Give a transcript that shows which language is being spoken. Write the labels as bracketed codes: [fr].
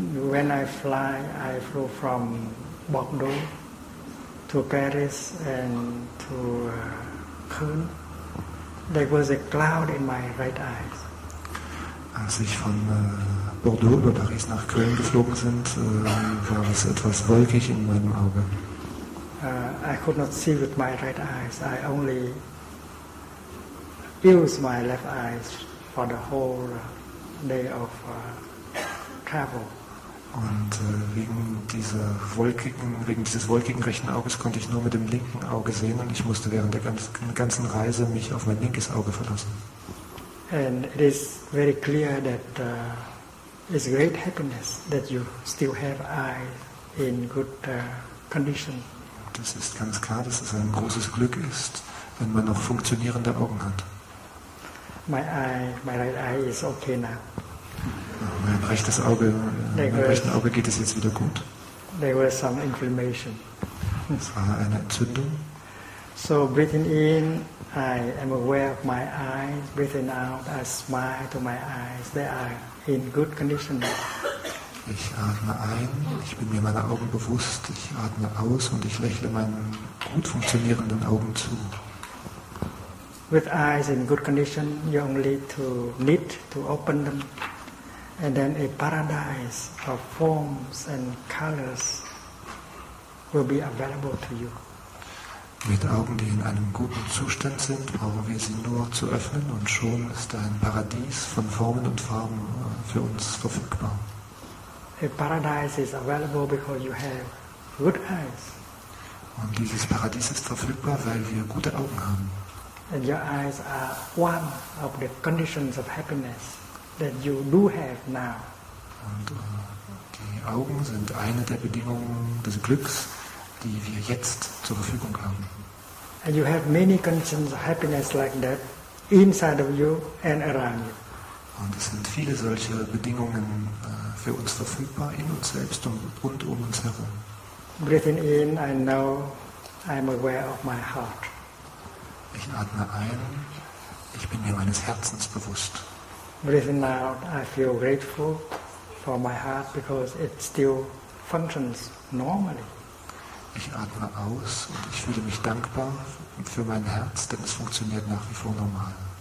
[en] When I flew from Bordeaux to Paris and to Köln, there was a cloud in my right eye. [de] Als ich von Bordeaux über Paris nach Köln geflogen sind, war es etwas wolkig in meinem Auge. [en] I could not see with my right eyes. I only use my left eyes for the whole day of travel. [de] Und wegen dieses wolkigen rechten Auges konnte ich nur mit dem linken Auge sehen und ich musste während der ganzen Reise mich auf mein linkes Auge verlassen. [en] And it is very clear that it's great happiness that you still have eyes in good condition. [de] Das ist ganz klar, dass es ein großes Glück ist, wenn man noch funktionierende Augen hat. [en] My right eye is okay now. [de] Mein rechtes Auge geht es jetzt wieder gut. [en] There was some inflammation. [de] Es war eine Entzündung. [en] So breathing in, I am aware of my eyes. Breathing out, I smile to my eyes. They are in good condition. [de] Ich atme ein, ich bin mir meiner Augen bewusst. Ich atme aus und ich lächle meinen gut funktionierenden Augen zu. [en] With eyes in good condition, you only need to open them. And then a paradise of forms and colors will be available to you. [de] Mit Augen, die in einem guten Zustand sind, brauchen wir sie nur zu öffnen und schon ist ein Paradies von Formen und Farben für uns verfügbar. [en] A paradise is available because you have good eyes. [de] Und dieses Paradies ist verfügbar, weil wir gute Augen haben. [en] And your eyes are one of the conditions of happiness that you do have now. [de] Und die Augen sind eine der Bedingungen des Glücks, die wir jetzt zur Verfügung haben. [en] And you have many conditions of happiness like that inside of you and around you. [de] Und es sind viele solche Bedingungen für uns verfügbar in uns selbst und um uns herum. [en] Breathing in, I know I'm aware of my heart. [de] Ich atme ein, ich bin mir meines Herzens bewusst. [en] Breathing out, I feel grateful for my heart because it still functions normally. [de] Ich atme aus und ich fühle mich dankbar für mein Herz, denn es funktioniert nach wie vor normal.